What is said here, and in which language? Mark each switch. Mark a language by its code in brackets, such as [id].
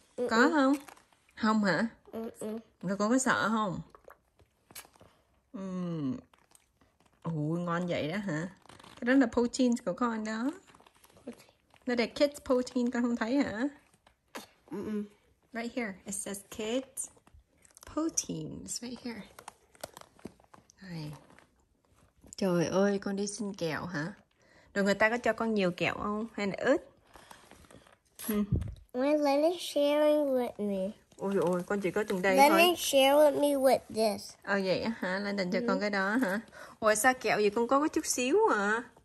[vi] Có không? Không hả? Rồi con có sợ không? Ủa, ngon vậy đó hả? Cái đó là protein của con đó. Nó là [en] kids protein, [vi] con không thấy hả? [en] Right here, it says kids protein, it's right here. [vi] Này. Trời ơi, con đi xin kẹo hả? Rồi người ta có cho con nhiều kẹo không? Hay là ít? [en] Let me [vi] Ôi, con chỉ có từng đây thôi. [en] share with me [vi] Ờ vậy á hả? Lên đành cho con [en] with [vi] cái đó hả? Ủa sao kẹo gì con có chút xíu à?